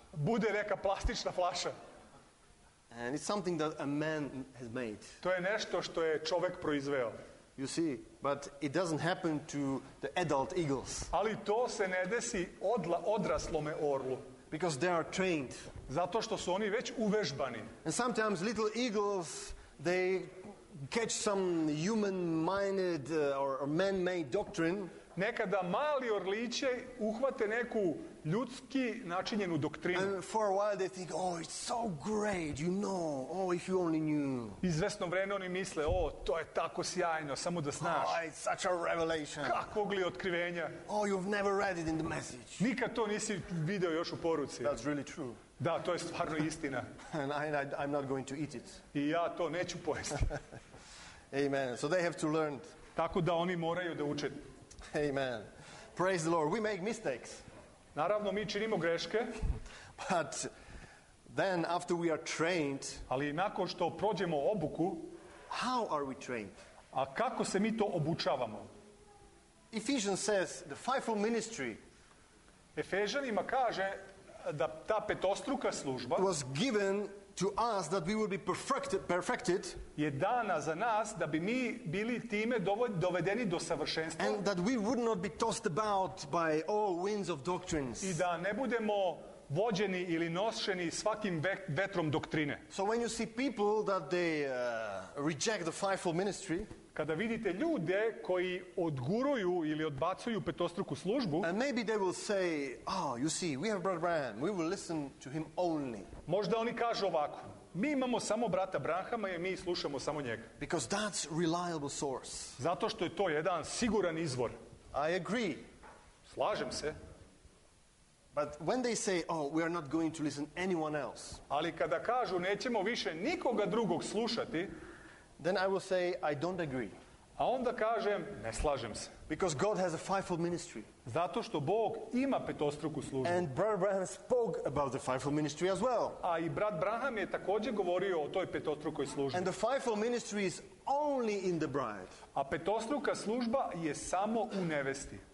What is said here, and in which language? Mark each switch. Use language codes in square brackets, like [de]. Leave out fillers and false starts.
[sr] Bude neka plastična flaša. [en] And it's something that a man has made. [sr] To je nešto što je čovjek proizveo. [en] You see, but it doesn't happen to the adult eagles. [sr] Ali to se ne desi odraslome orlu. [en] Because they are trained. [sr] Zato što su oni već uvežbani. [en] And sometimes little eagles, they catch some human-minded or man-made doctrine. [sr] Nekada mali orliće uhvate neku ljudski načinjenu doktrinu. [en] And for a while they think, oh, it's so great, you know, oh, if you only knew. [sr] Izvesno vreme oni misle, oh, to je tako sjajno, samo da znaš. [en] Oh, it's such a revelation. [sr] Kakvog li otkrivenja. [en] Oh, you've never read it in the message. [sr] Nikad to nisi video još u poruci. [en] That's really true. [sr] Da, to je stvarno istina. [en] And I'm not going to eat it. [sr] I ja to neću pojesti. [en] Amen. So they have to learn. [sr] Tako da oni moraju da uče. [en] Amen. Praise the Lord. We make mistakes. [sr] Naravno, mi činimo greške. [en] But then after we are trained, [sr] ali nakon što prođemo obuku, [en] how are we trained? [sr] A kako se mi to obučavamo? [en] Ephesians says the fivefold ministry. [sr] Efežanima kaže da ta petostruka služba [en] was given to us that we would be perfected, [sr] je dana za nas da bi mi bili time dovedeni do savršenstva, [en] and that we would not be tossed about by all winds of doctrines, [sr] i da ne budemo vođeni ili nošeni svakim vetrom doktrine. [en] So when you see people that they reject the fivefold ministry, [sr] kada vidite ljude koji odguraju ili odbacuju petostruku službu, [en] and maybe they will say, oh, you see, we have Brother Branham, we will listen to him only. [sr] Možda oni kažu ovako, mi imamo samo brata Branhama i mi slušamo samo njega. [en] Because that's reliable source. [sr] Zato što je to jedan siguran izvor. [en] I agree. [sr] Slažem se. [en] But when they say, oh, we are not going to listen anyone else. [sr] Ali kada kažu, nećemo više nikoga drugog slušati, [en] then I will say I don't agree. [sr] A onda kažem ne slažem se. [en] Because God has a fivefold ministry. [sr] Zato što Bog ima petostruku službu. [en] And Brother Branham spoke about the fivefold ministry as well. [sr] A i brat Branham je također govorio o toj petostrukoj službi. [en] And the fivefold ministry is only in the bride. [sr] A petostruka služba je samo u nevesti.